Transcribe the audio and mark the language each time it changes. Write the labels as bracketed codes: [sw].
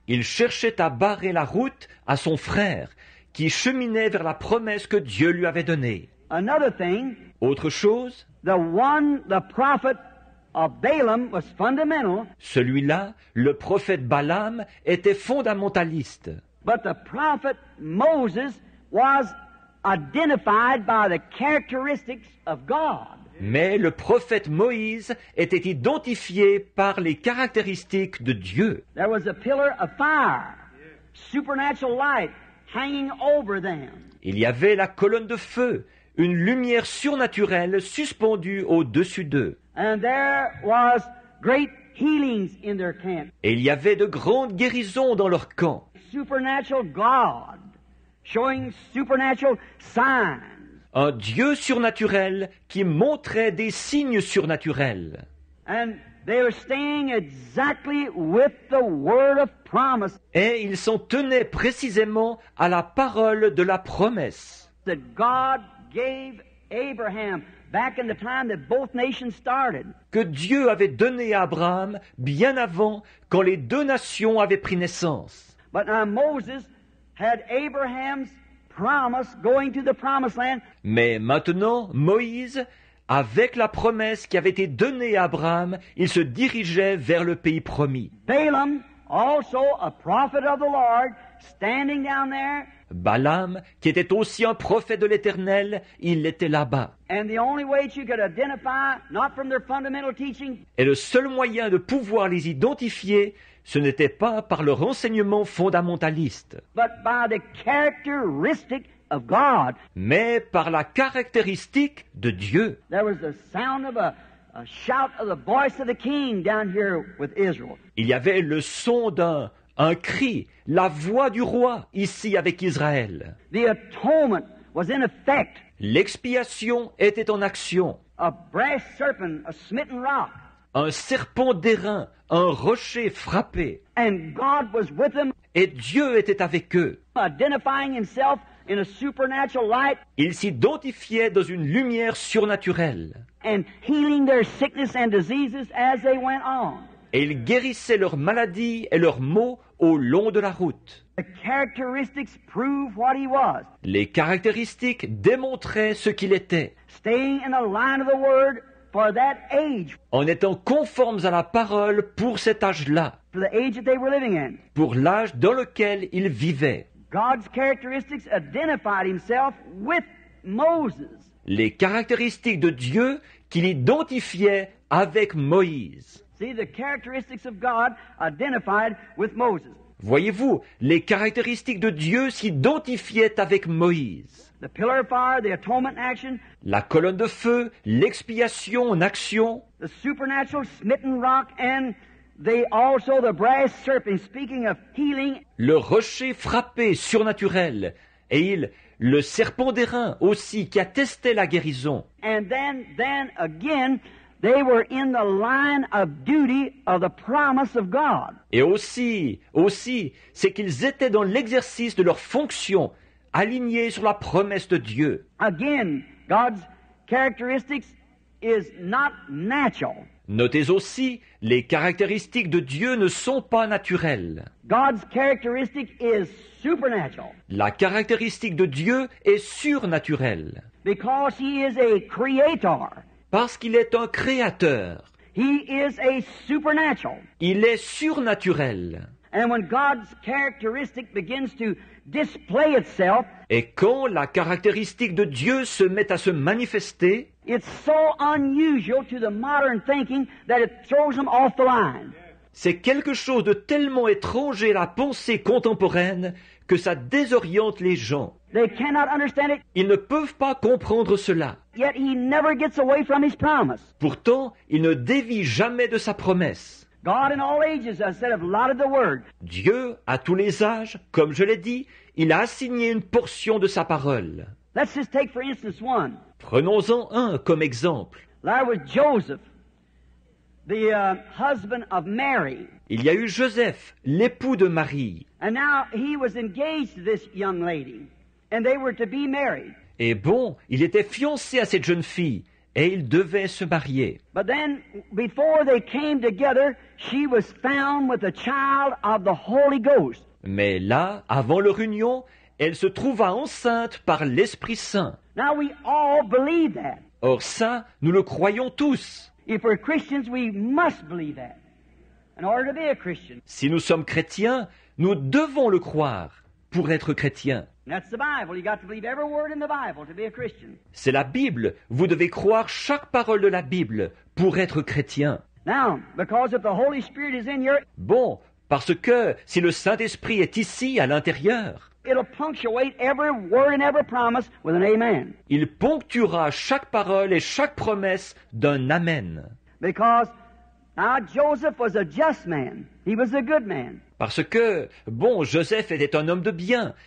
[fr] Il cherchait à barrer la route à son frère qui cheminait vers la promesse que Dieu lui avait donnée. [en] Another thing. [fr] Autre chose. [en] The prophet of Balaam was fundamental. [fr] Celui-là, le prophète Balaam, était fondamentaliste. [en] But the prophet Moses was identified by the characteristics of God. [fr] Mais le prophète Moïse était identifié par les caractéristiques de Dieu. [en] There was a pillar of fire, supernatural light hanging over them. [fr] Il y avait la colonne de feu, une lumière surnaturelle suspendue au-dessus d'eux. [en] And there was great healings in their camp. [fr] Et il y avait de grandes guérisons dans leur camp. [en] Supernatural God showing supernatural signs. [fr] Un Dieu surnaturel qui montrait des signes surnaturels. [en] And they were staying exactly with the word of promise. [fr] Et ils s'en tenaient précisément à la parole de la promesse. [en] That God gave Abraham back in the time that both nations started. [fr] Que Dieu avait donné à Abraham bien avant quand les deux nations avaient pris naissance. [en] But now Moses had Abraham's promise going to the promised land. [fr] Mais maintenant, Moïse, avec la promesse qui avait été donnée à Abraham, il se dirigeait vers le pays promis. [en] Balaam, also a prophet of the Lord, standing down there. [fr] Balaam, qui était aussi un prophète de l'Éternel, il était là-bas. [en] And the only way that you could identify, not from their fundamental teaching. [fr] Et le seul moyen de pouvoir les identifier, ce n'était pas par leur enseignement fondamentaliste. [en] But by the characteristic of God. [fr] Mais par la caractéristique de Dieu. [en] There was the sound of a shout of the voice of the king down here with Israel. [fr] Il y avait le son d'un cri, la voix du roi ici avec Israël. [en] The atonement was in effect. [fr] L'expiation était en action. [en] A brass serpent, a smitten rock. [fr] Un serpent d'airain, un rocher frappé. [en] And God was with them. [fr] Et Dieu était avec eux. [en] Identifying himself in a supernatural light. [fr] Il s'identifiait dans une lumière surnaturelle. [en] And healing their sickness and diseases as they went on. [fr] Et il guérissait leurs maladies et leurs maux au long de la route. [en] The characteristics prove what he was. [fr] Les caractéristiques démontraient ce qu'il était. [en] Staying in the line of the word. For that age, [fr] en étant conformes à la parole pour cet âge-là, [en] for the age that they were living in, [fr] pour l'âge dans lequel ils vivaient. [en] God's characteristics identified himself with Moses. [fr] Les caractéristiques de Dieu qu'il identifiait avec Moïse. [en] See, the characteristics of God identified with Moses. [fr] Voyez-vous, les caractéristiques de Dieu s'identifiaient avec Moïse. [en] The pillar of fire, the atonement action, [fr] la colonne de feu, l'expiation en action. [en] The supernatural smitten rock and they also the brass serpent, speaking of healing. [fr] Le rocher frappé surnaturel et il, le serpent d'airain aussi qui attestait la guérison. [en] And then again, they were in the line of duty of the promise of God. [fr] Et aussi, c'est qu'ils étaient dans l'exercice de leur fonction, alignés sur la promesse de Dieu. [en] Again, God's characteristics is not natural. [fr] Notez aussi, les caractéristiques de Dieu ne sont pas naturelles. [en] God's characteristic is supernatural. [fr] La caractéristique de Dieu est surnaturelle. [en] Because he is a creator. [fr] Parce qu'il est un créateur. [en] He is a supernatural. [fr] Il est surnaturel. [en] And when God's characteristic begins to display itself, [fr] et quand la caractéristique de Dieu se met à se manifester, [en] it's so unusual to the modern thinking that it throws them off the line. [fr] C'est quelque chose de tellement étranger à la pensée contemporaine que ça désoriente les gens. [en] They cannot understand it. [fr] Ils ne peuvent pas comprendre cela. [en] Yet he never gets away from his promise. [fr] Pourtant, il ne dévie jamais de sa promesse. [en] God in all ages has said of a lot of the word. [fr] Dieu, à tous les âges, comme je l'ai dit, il a assigné une portion de sa parole. [en] Let's just take for instance one. [fr] Prenons-en un comme exemple. [en] There was Joseph, the husband of Mary. [fr] Il y a eu Joseph, l'époux de Marie. [en] And now he was engaged to this young lady. And they were to be married. [fr] Et bon, il était fiancé à cette jeune fille et ils devaient se marier. [en] But then, before they came together, she was found with a child of the Holy Ghost. [fr] Mais là, avant leur union, elle se trouva enceinte par l'Esprit Saint. [en] Now we all believe that. [fr] Or ça, nous le croyons tous. [en] If we're Christians, we must believe that in order to be a Christian. [fr] Si nous sommes chrétiens, nous devons le croire pour être chrétiens. [en] That's the Bible. You got to believe every word in the Bible to be a Christian. [fr] C'est la Bible. Vous devez croire chaque parole de la Bible pour être chrétien. [en] Now, because if the Holy Spirit is in your... [fr] Bon, parce que si le Saint-Esprit est ici, à l'intérieur... [en] It'll punctuate every word and every promise with an amen. [fr] Il ponctuera chaque parole et chaque promesse d'un amen. [en] Because now Joseph was a just man. He was a good man. [fr] Parce que, bon, Joseph était un homme de bien.